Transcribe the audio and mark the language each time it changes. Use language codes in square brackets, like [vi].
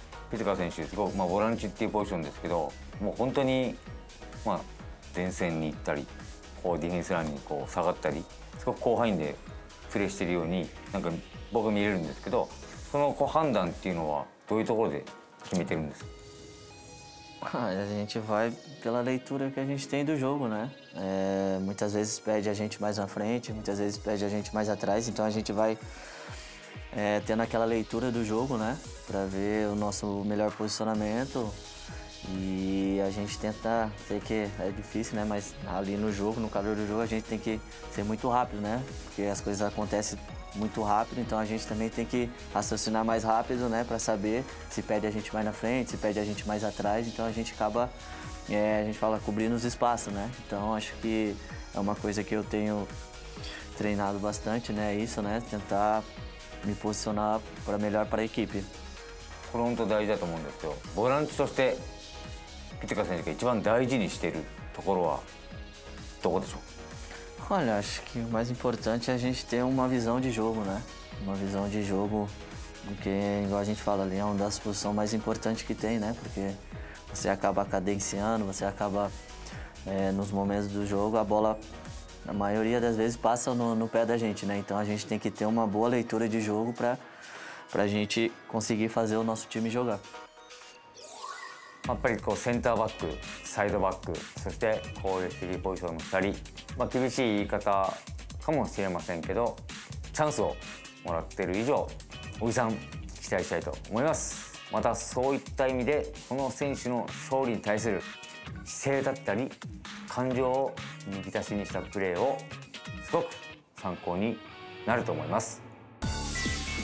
[ja] ピテカ選手すごく、まあ、ボランチっていうポジションですけど、もう本当に、まあ、前線に行ったりこうディフェンスラインにこう下がったり、すごく広範囲でプレーしてるようになんか僕見れるんですけど、そのこう判断っていうのはどういうところで決めてるんですか？ [pt] A gente vai pela leitura que a gente tem do jogo, né? É, muitas vezes pede a gente mais na frente, muitas vezes pede a gente mais atrás, então a gente vai tendo aquela leitura do jogo, né? Pra ver o nosso melhor posicionamento e a gente tenta, sei que é difícil, né? Mas ali no jogo, no calor do jogo, a gente tem que ser muito rápido, né? Porque as coisas acontecem muito rápido, então a gente também tem que raciocinar mais rápido, né, para saber se pede a gente mais na frente, se pede a gente mais atrás, então a gente acaba, a gente fala, cobrindo os espaços, né, então acho que é uma coisa que eu tenho treinado bastante, né, isso, né, tentar me posicionar para melhor para a equipe. [ja] これ本当大事だと思うんですよ。ボランチとしてピテカ選手が一番大事にしているところはどこでしょう？ [pt] Olha, acho que o mais importante é a gente ter uma visão de jogo, né? Uma visão de jogo porque igual a gente fala ali, é uma das posições mais importantes que tem, né? Porque você acaba cadenciando, você acaba nos momentos do jogo, a bola, na maioria das vezes, passa no pé da gente, né? Então a gente tem que ter uma boa leitura de jogo pra gente conseguir fazer o nosso time jogar. [ja] やっぱりこうセンターバック、サイドバック、そして攻撃的ポジションの2人、まあ、厳しい言い方かもしれませんけど、チャンスをもらっている以上、小木さん、期待したいと思います。またそういった意味で、この選手の勝利に対する姿勢だったり、感情をむき出しにしたプレーを、すごく参考になると思います。